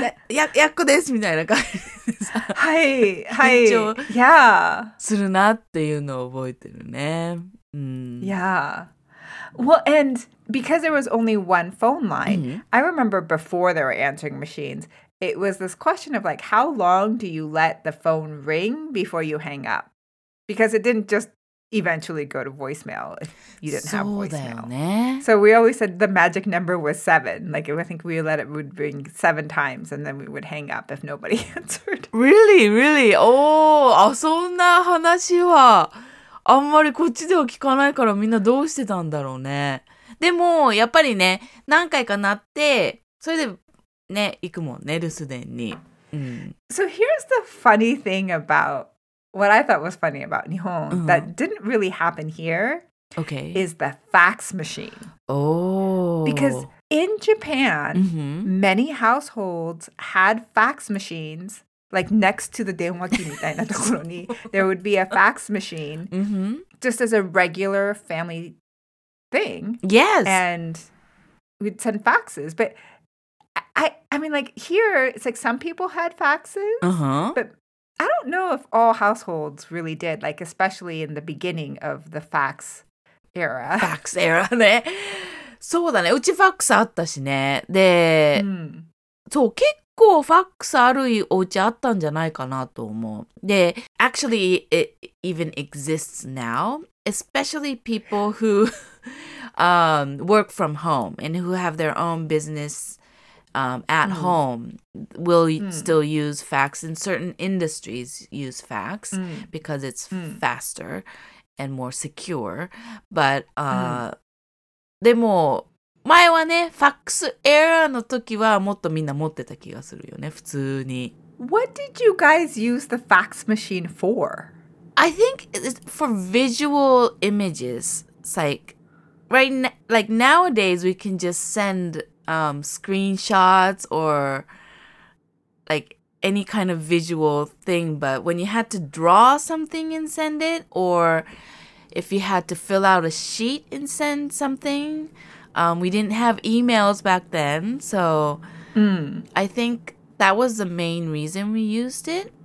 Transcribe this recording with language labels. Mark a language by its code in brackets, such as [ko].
[ja] ヤッコですみたいな感じでさ。はい、はい。緊張するなっていうのを覚えてるね。 [en] Yeah. Well, and because there was only one phone line, I remember before there were answering machines,It was this question of like, how long do you let the phone ring before you hang up? Because it didn't just eventually go to voicemail if you didn't have voicemail. So we always said the magic number was 7. Like, I think we let it would ring 7 times and then we would hang up if nobody answered. Really? Really? [ja] Oh, そんな話はあんまりこっちでは聞かないからみんなどうしてたんだろうね。でもやっぱりね、何回か鳴ってそれでね、行くもんね、留守電に。 [en] So here's the funny thing about what I thought was funny about 日本、uh-huh. that didn't really happen here. Okay. Is the fax machine. Oh. Because in Japan,、mm-hmm. many households had fax machines, like next to the [ja] 電話機みたいなところに [en] there would be a fax machine、 mm-hmm. just as a regular family thing. Yes. And we'd send faxes, but... I mean, like, here, it's like some people had faxes,、 uh-huh. but I don't know if all households really did, like, especially in the beginning of the fax era. Fax era, ね。 [ja] そうだね。うちファックスあったしね。で、そう、結構ファックスあるお家あったんじゃないかなと思う。 [en] で、actually, it even exists now, especially people who 、work from home and who have their own business... at mm. home will mm. still use fax and certain industries use fax mm. because it's mm. faster and more secure. [ja] But, でも前はね、ファックスエラーの時はもっとみんな持ってた気がするよね、普通に。 [en] What did you guys use the fax machine for? I think it's for visual images. It's like, like nowadays we can just send... screenshots or like any kind of visual thing, but when you had to draw something and send it, or if you had to fill out a sheet and send something, we didn't have emails back then, so I think that was the main reason we used it.